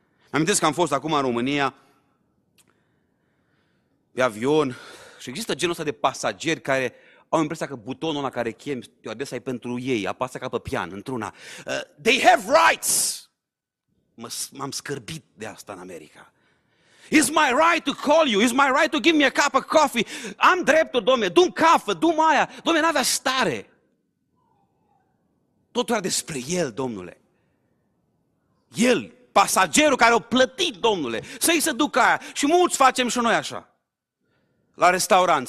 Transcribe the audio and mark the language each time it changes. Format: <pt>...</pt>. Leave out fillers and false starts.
<ro>Amintesc că am fost acum în România, pe avion, și există genul ăsta de pasageri care au impresia că butonul ăla care chemi, eu adesea e pentru ei, apasă ca pe pian, într-una.</ro> <en>They have rights!</en> <ro>M-am scârbit de asta în America.</ro> <en>It's my right to call you, it's my right to give me a cup of coffee.</en> <ro>Am dreptul, domne, du-mi cafă, du-mi aia. Domne, n-avea stare. Totul era despre el, domnule. El, pasagerul care a plătit, domnule, să-i se ducă aia. Și mulți facem și noi așa, la restaurant.</ro>